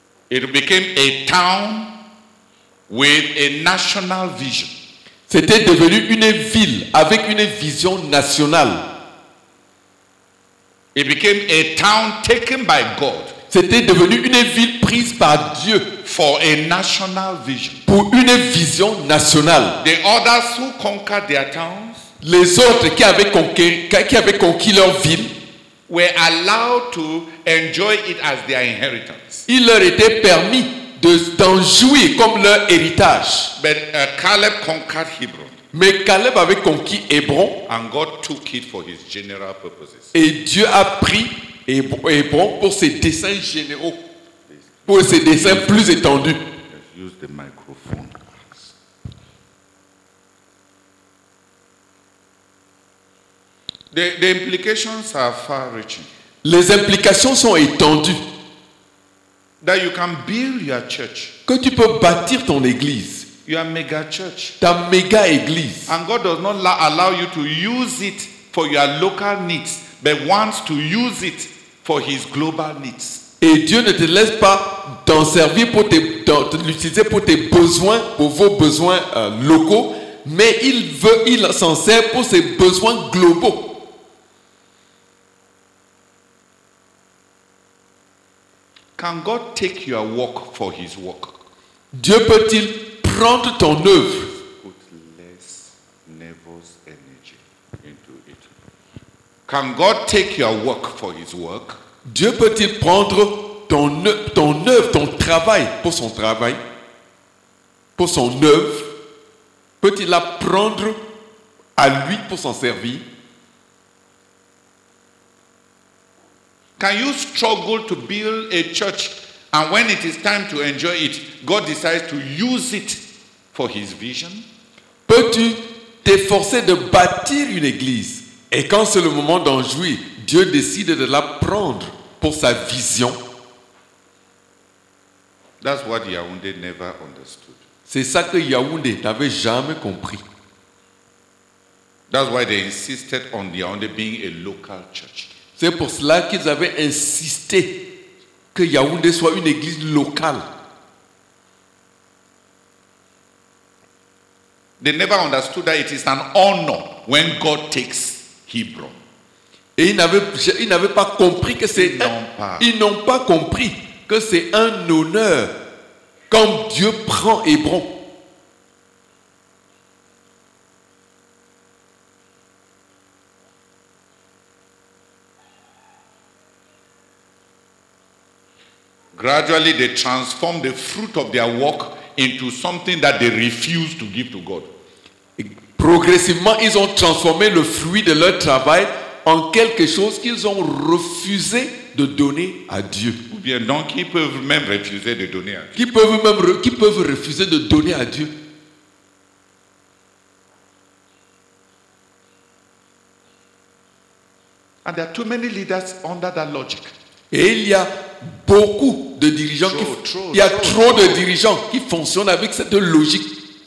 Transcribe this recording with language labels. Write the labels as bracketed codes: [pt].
[en] It became a town with a national vision. [fr] C'était devenu une ville avec une vision nationale. [en] It became a town taken by God. [fr] C'était devenu une ville prise par Dieu [en] for a national vision. [fr] Pour une vision nationale. [en] The others who conquered their towns, [fr] les autres qui avaient conquis leur ville, [en] were allowed to enjoy it as their inheritance. [fr] Il leur était permis d'en jouir comme leur héritage. [en] But Caleb conquered Hebron. [fr] Mais Caleb avait conquis Hébron. [en] And God took it for his general purposes. [fr] Et Dieu a pris Hébron pour ses desseins généraux. Pour ses desseins plus étendus. [en] Use the microphone. The implications are far-reaching. [fr] Les implications sont étendues. [en] That you can build your church. [fr] Que tu peux bâtir ton église. [en] Your mega church. [fr] Ta méga église. [en] And God does not allow you to use it for your local needs, but wants to use it for his global needs. [fr] Et Dieu ne te laisse pas t'en servir pour l'utiliser pour tes besoins, pour vos besoins locaux, mais il s'en sert pour ses besoins globaux. [en] Can God take your work for his work? [fr] Dieu peut-il prendre ton œuvre? [en] Put less nervous energy into it. Can God take your work for his work? [fr] Dieu peut-il prendre ton œuvre, ton travail pour son travail? Pour son œuvre? Peut-il la prendre à lui pour s'en servir? [en] Can you struggle to build a church and when it is time to enjoy it, God decides to use it for his vision? [fr] Peux-tu t'efforcer de bâtir une église et quand c'est le moment d'en jouir, Dieu décide de la prendre pour sa vision? [en] That's what Yaoundé never understood. [fr] C'est ça que Yaoundé n'avait jamais compris. [en] That's why they insisted on Yaoundé being a local church. [fr] C'est pour cela qu'ils avaient insisté que Yaoundé soit une église locale. [en] They never understood that it is an honor when God takes Hebron. [fr] Et ils n'avaient pas compris que c'est ils n'ont pas compris que c'est un honneur quand Dieu prend Hébron. [en] Gradually, they transform the fruit of their work into something that they refuse to give to God. [fr] Progressivement, ils ont transformé le fruit de leur travail en quelque chose qu'ils ont refusé de donner à Dieu. Ou bien donc, ils peuvent même refuser de donner à Dieu. Qui peuvent refuser de donner à Dieu? [en] And there are too many leaders under that logic. [fr] Et il y a beaucoup de dirigeants dirigeants qui fonctionnent avec cette logique.